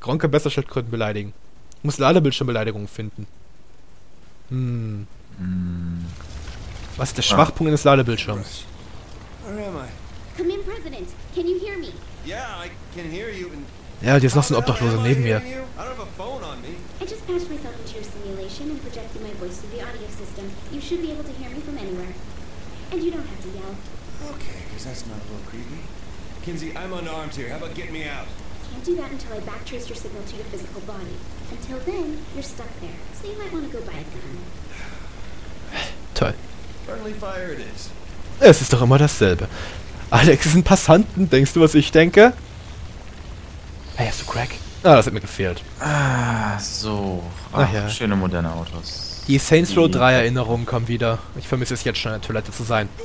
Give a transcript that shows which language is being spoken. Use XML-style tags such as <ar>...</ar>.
<de>Gronkh kann besser Schildkröten beleidigen. Ich muss Ladebildschirmbeleidigungen finden. Was ist der Schwachpunkt eines Ladebildschirms?</de> <en>Where am I? Come in, President. Can you hear me? Yeah, I can hear you.</en> <de>Ja, hier ist noch so ein Obdachloser neben mir.</de> <en>I don't have a phone on me. I just patched myself into your simulation and projected my voice to the audio system. You should be able to hear me from anywhere. And you don't have to yell. Okay, because that's not a little creepy. Kinsey, I'm unarmed here. How about get me out? Can't do that until I backtrace your signal to your physical body. Until then, you're stuck there. So you might want to go buy a gun. Toll. Friendly fire it is.</en> <de>Es ist doch immer dasselbe. Alex ist ein Passanten, denkst du, was ich denke? Hey, hast du Crack? Ah, das hat mir gefehlt. Ah, so. Ach ja. Schöne moderne Autos. Die Saints Row 3 Erinnerungen kommen wieder. Ich vermisse es jetzt schon, in der Toilette zu sein.</de>